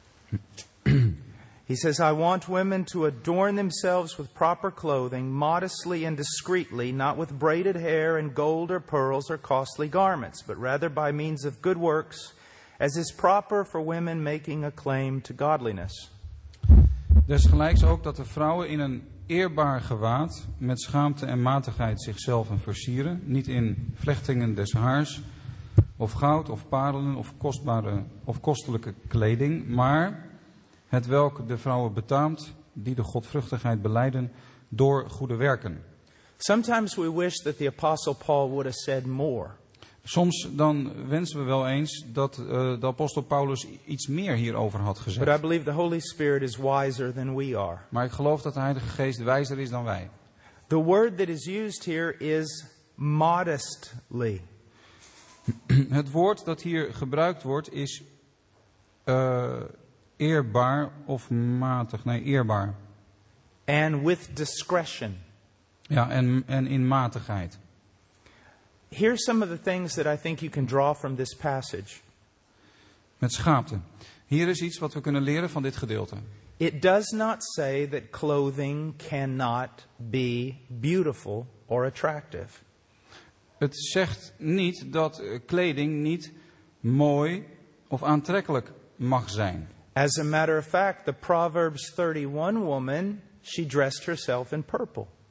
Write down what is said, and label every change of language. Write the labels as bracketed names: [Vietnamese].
[English] Verse 9. He says, "I want women to adorn themselves with proper clothing, modestly and discreetly, not with braided hair and gold or pearls or costly garments, but rather by means of good works, as is proper for women making a claim to godliness." [Dutch] Desgelijks ook dat de vrouwen in een eerbaar gewaad met schaamte en matigheid zichzelf en versieren, niet in vlechtingen des haars of goud of parelen of kostbare of kostelijke kleding, maar het welk de vrouwen betaamt die de godvruchtigheid belijden door goede werken. [English] Sometimes we wish that the apostle Paul would have said more. [Dutch] Soms dan wensen we wel eens dat de apostel Paulus iets meer hierover had gezegd. [English] But I believe the Holy Spirit is wiser than we are. [Dutch] Maar ik geloof dat de Heilige Geest wijzer is dan wij. [English] The word that is used here is modestly. [Dutch] Het woord dat hier gebruikt wordt is eerbaar of matig. Nee, eerbaar. [English] And with discretion. [Dutch] Ja, en in matigheid. [English] Here are some of the things that I think you can draw from this passage. [Dutch] Met schaamte. Hier is iets wat we kunnen leren van dit gedeelte. [English] It does not say that clothing cannot be beautiful or attractive. [Dutch] Het zegt niet dat kleding niet mooi of aantrekkelijk mag zijn. [English] As a matter of fact, the Proverbs 31 woman, she dressed herself in purple.